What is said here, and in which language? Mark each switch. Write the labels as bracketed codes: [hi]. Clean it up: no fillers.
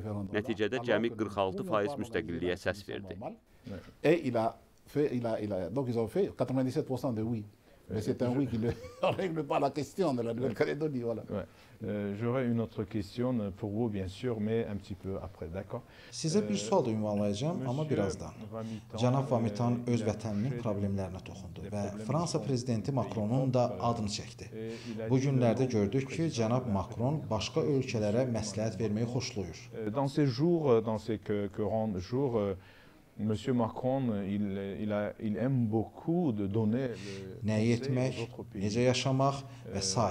[az] Nəticədə cəmi 46% müstəqilliyə səs verdi. [fr] Donc ils ont fait 97% de oui. Mais c'est un oui qui ne règle pas la question de la Nouvelle-Calédonie, voilà. J'aurais une autre question pour vous, bien sûr, mais un petit peu après, d'accord? [az] Size bir sual da ünvanlayacağım, ama birazdan. Cənab Vamitan öz vətəninin problemlərinə toxundu və Fransa Prezidenti Macronun da adını çəkdi. Bu günlərdə gördük ki, Cənab Macron başqa ölkələrə məsləhət verməyi xoşlayır. [fr] Dans ces jours, dans ces grands jours, Monsieur Macron, il aime beaucoup de donner. [az] Ne yetmek, necə yaşamaq və s.